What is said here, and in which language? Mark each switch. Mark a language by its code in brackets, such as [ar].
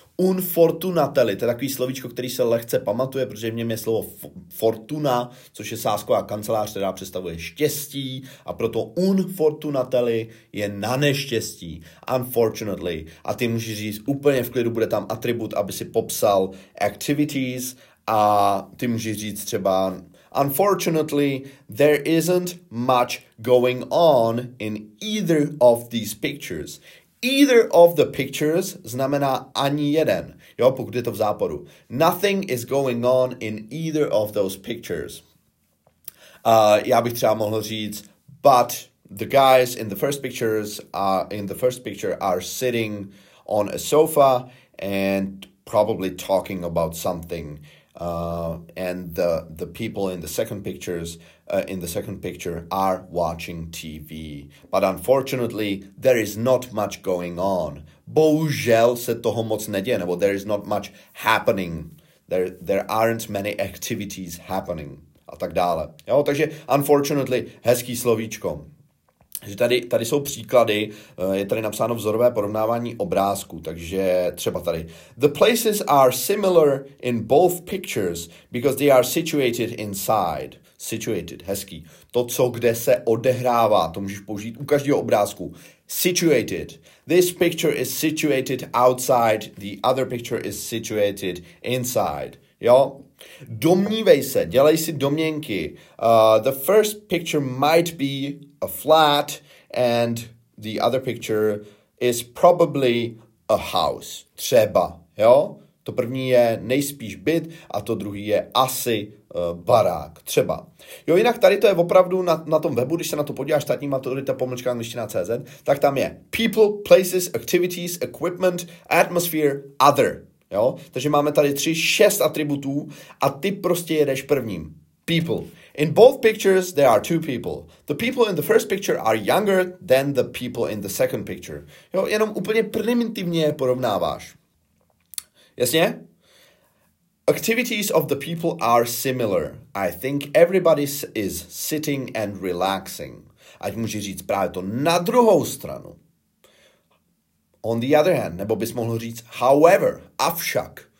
[cs] Unfortunately. To je takový slovíčko, který se lehce pamatuje, protože v něm je slovo fortuna, což je sásková kancelář, která představuje štěstí. A proto unfortunately je na neštěstí. Unfortunately. A ty můžeš říct úplně v klidu, bude tam atribut, aby si popsal activities. A ty můžeš říct třeba... [en] Unfortunately, there isn't much going on in either of these pictures. Either of the pictures [cs] znamená ani jeden, jo, pokud je to v záporu. [en] Nothing is going on in either of those pictures. [cs] Já bych třeba mohl říct, [en] but the guys in the first pictures are in the first picture are sitting on a sofa and probably talking about something. And the people in the second pictures in the second picture are watching TV, but unfortunately there is not much going on. [cs] Bohužel se toho moc neděje, nebo [en] there is not much happening. There aren't many activities happening [cs] a tak dále. Jo, takže unfortunately hezký slovíčko. Že tady jsou příklady, je tady napsáno vzorové porovnávání obrázků, takže třeba tady. [en] The places are similar in both pictures because they are situated inside. [cs] Situated, hezký. To, co kde se odehrává, to můžeš použít u každého obrázku. [en] Situated. This picture is situated outside, the other picture is situated inside. [cs] Jo? Domnívej se, dělej si domněnky. [en] The first picture might be a flat and the other picture is probably a house. [cs] Třeba, jo? To první je nejspíš byt a to druhý je asi barák. Třeba. Jo, jinak tady to je opravdu na tom webu, když se na to podíváš, štátní maturita pomlčka angličtina.cz, tak tam je people, places, activities, equipment, atmosphere, other. Jo? Takže máme tady 3-6 atributů a ty prostě jedeš prvním. [en] People. In both pictures, there are two people. The people in the first picture are younger than the people in the second picture. [cs] Jo, jenom úplně primitivně je porovnáváš. Jasně? [en] Activities of the people are similar. I think everybody is sitting and relaxing. [cs] Ať můžeš říct právě to na druhou stranu. [en] On the other hand, [cs] nebo bys mohl říct however, avšak.